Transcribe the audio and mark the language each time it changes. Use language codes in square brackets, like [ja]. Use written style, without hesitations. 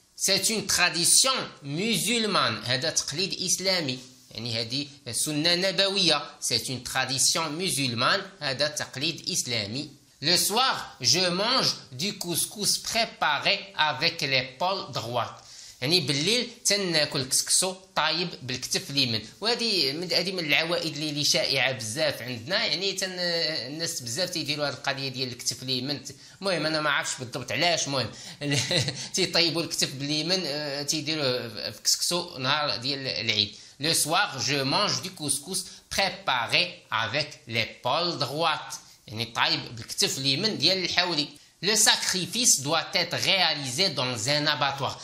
[fr] C'est une tradition musulmane. [ar] هذا تقليد إسلامي، يعني هذه سنة نبوية. [fr] C'est une tradition musulmane. [ar] هذا تقليد إسلامي. [fr] Le soir, je mange du couscous préparé avec l'épaule droite. [ar] يعني بالليل تناكل كسكسو طايب بالكتف اليمين. وهذه من العوائد اللي شائعة بزاف عندنا، يعني الناس بزاف تيديروا هذه القضية ديال الكتف اليمين. المهم أنا ما عرفتش بالضبط علاش، المهم تيطيبوا الكتف باليمين تيديروه في كسكسو نهار ديال العيد. [fr] لو سواغ جو مونج دو كوسكوس بريباري افيك لي بول دغوات، [ar] يعني طايب بالكتف اليمين ديال الحولي. [fr] Le sacrifice doit être réalisé dans un abattoir.